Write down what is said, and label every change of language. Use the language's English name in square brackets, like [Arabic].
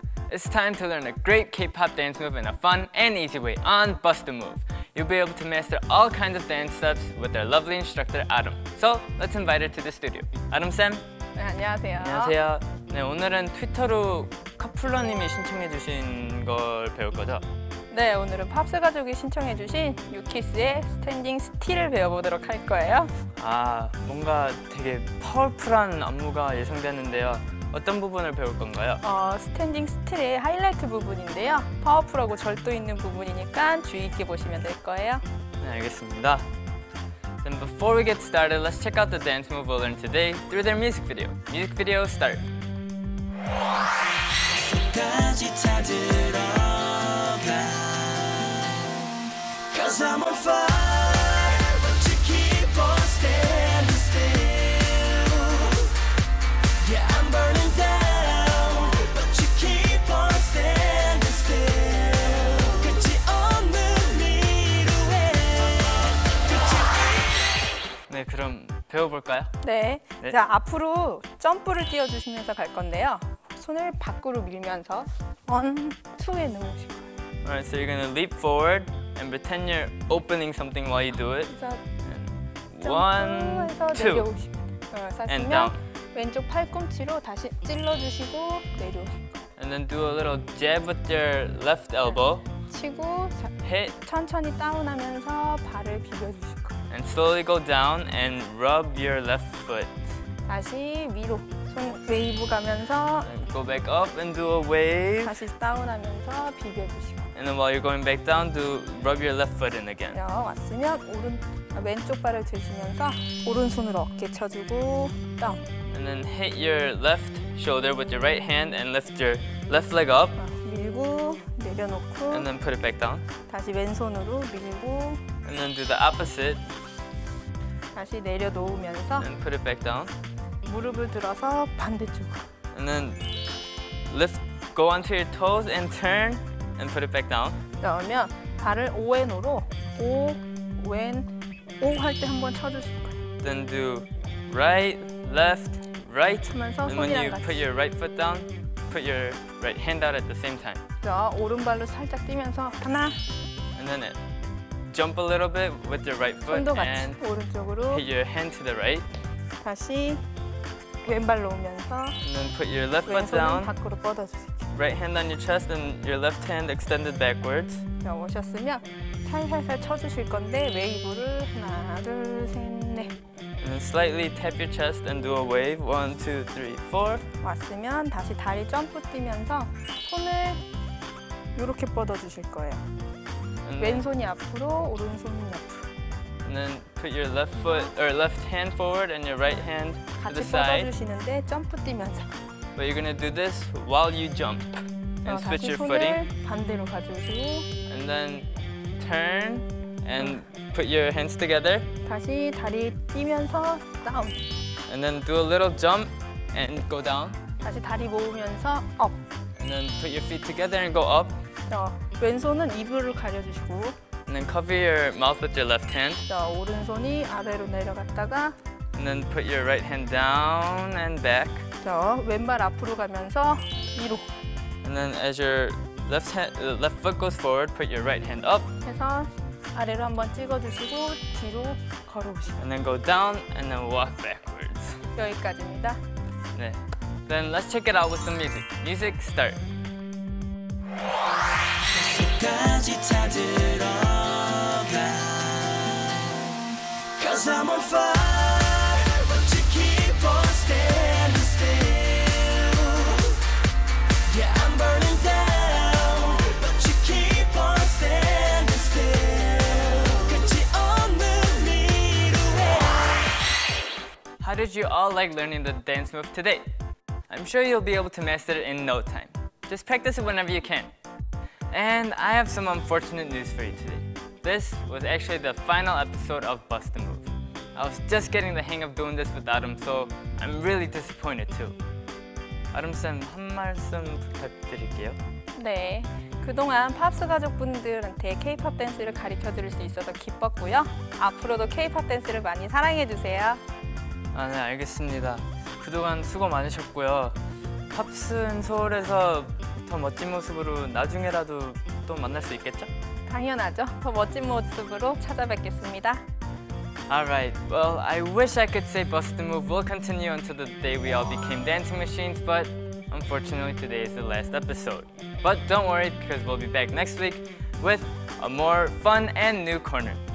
[English] It's time to learn a great K-pop dance move in a fun and easy way on Bust the Move. You'll be able to master all kinds of dance steps with our lovely instructor, Adam. So, let's invite her to the studio. Adam-san? [Korean] 네, 안녕하세요. 안녕하세요. 네, 오늘은 트위터로 커플러님이 신청해 주신 걸 배울 거죠? 네, 오늘은 팝스 가족이 신청해 주신 유키스의 스탠딩 스틸을 배워보도록 할 거예요. 아, 뭔가 되게 파워풀한 안무가 예상되는데요. 어떤 부분을 배울 건가요? 스탠딩 스틸의 하이라이트 부분인데요. 파워풀하고 절도 있는 부분이니까 주의 깊게 보시면 될 거예요. 네, 알겠습니다. [English] Then before we get started, let's check out the dance move we'll learn today through their music video. Music video start. [Korean] 끝까지 다 들어가 [English] Cause I'm on fire Don't you keep on standing still Yeah, I'm burning down Don't you keep on standing still [Korean] 끝이 없는 미루에 끝이 네, 그럼 배워볼까요? 네, 네. 자, 앞으로 점프를 띄워주시면서 갈 건데요. 손을 밖으로 밀면서 원, 투에 넣으실 거예요. [English] Alright, so you're gonna leap forward and pretend you're opening something while you do it. [Korean] 점프해서 내려오시면 [English] and down. [Korean] 왼쪽 팔꿈치로 다시 찔러주시고 내려오실 거예요. [English] And then do a little jab with your left elbow. [Korean] 치고 천천히 다운하면서 발을 비벼주실 거예요. [English] And slowly go down and rub your left foot. [Korean] 다시 위로 손 웨이브 가면서 [English] and go back up and do a wave. [Korean] 다시 다운하면서 비벼 주시고. [English] And then while you're going back down, do rub your left foot in again. [Korean] 왔으면 왼쪽 발을 들으시면서 오른손으로 어깨 쳐주고 다운. [English] And then hit your left shoulder with your right hand and lift your left leg up. [Korean] 밀고 내려놓고. [English] And then put it back down. [Korean] 다시 왼손으로 밀고. [English] And then do the opposite. [Korean] 다시 내려놓으면서 [English] And put it back down. [Korean] 무릎을 들어서 반대쪽. [English] And then lift, go onto your toes and turn and put it back down. [Korean] 그러면 발을 5N으로 5, 왼, 5 할 때 한번 쳐주실 거예요. [English] Then do right, left, right. [Korean] 하면서 [English] and when you put your right foot down, put your right hand out at the same time. [Korean] 자, 오른발로 살짝 뛰면서 하나. [English] And then it. Jump a little bit with your right foot and [Korean] 오른쪽으로. [English] Hit your hand to the right. [Korean] 다시 왼발로 오면서 [English] and then put your left foot down. [Korean] 밖으로 뻗어주세요. [English] Right hand on your chest and your left hand extended backwards. [Korean] 오셨으면 살살살 쳐주실 건데 웨이브를 하나, 둘, 셋, 넷. [English] And then slightly tap your chest and do a wave. One, two, three, four. [Korean] 왔으면 다시 다리 점프 뛰면서 손을 이렇게 뻗어주실 거예요. 왼손이 앞으로, 오른손이 앞으로. [English] And then put your left foot or left hand forward and your right hand to the side. [Korean] 같이 뻗어주시는데 점프 뛰면서. [English] But you're gonna do this while you jump and switch your footing. [Korean] 반대로 가주시고. [English] And then turn and put your hands together. [Korean] 다시 다리 뛰면서 다운. [English] And then do a little jump and go down. [Korean] 다시 다리 모으면서 up. [English] And then put your feet together and go up. [Korean] 왼손은 이불을 가려주시고 [English] And then cover your mouth with your left hand [Korean] 오른손이 아래로 내려갔다가 [English] And then put your right hand down and back [Korean] 왼발 앞으로 가면서 위로 [English] And then as your left, hand, left foot goes forward, put your right hand up [Korean] 해서 아래로 한번 찍어주시고 뒤로 걸어오시고 [English] And then go down and then walk backwards [Korean] 여기까지입니다 네. [English] Then let's check it out with some music Music start [Korean] 끝까지 다 들어가 [English] Cause I'm on fire Won't you keep on standing still Yeah, I'm burning down Won't you keep on standing still [Korean] 끝이 없는 미루에 [English] How did you all like learning the dance move today? I'm sure you'll be able to master it in no time. Just practice it whenever you can. And I have some unfortunate news for you today. This was actually the final episode of Bust the Move. I was just getting the hang of doing this with Adam, so I'm really disappointed too. [Korean] Adam-san, 한 말씀 부탁드릴게요. 네, 그동안 팝스 가족분들한테 K-pop 댄스를 가르쳐 드릴 수 있어서 기뻤고요. 앞으로도 K-pop 댄스를 많이 사랑해 주세요. 아, 네, 알겠습니다. 그동안 수고 많으셨고요. 팝스 인 서울에서 더 멋진 모습으로 나중에라도 또 만날 수 있겠죠? 당연하죠. 더 멋진 모습으로 찾아뵙겠습니다. [English] Alright, well, I wish I could say Bust the Move will continue until the day we all became dancing machines, but unfortunately today is the last episode. But don't worry, because we'll be back next week with a more fun and new corner.